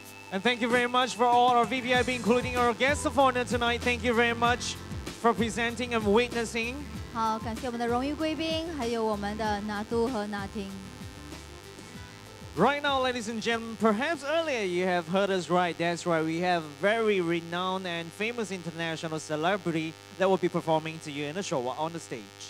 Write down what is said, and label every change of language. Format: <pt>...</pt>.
<en>And thank you very much for all our VVIP, including our guests of honor tonight. Thank you very much for presenting and witnessing.</en> <zh>好，感谢我们的荣誉贵宾，还有我们的拿督和拿婷。</zh> <en>Right now, ladies and gentlemen, perhaps earlier you have heard us right. That's right, we have very renowned and famous international celebrity that will be performing to you in a show on the stage.</en>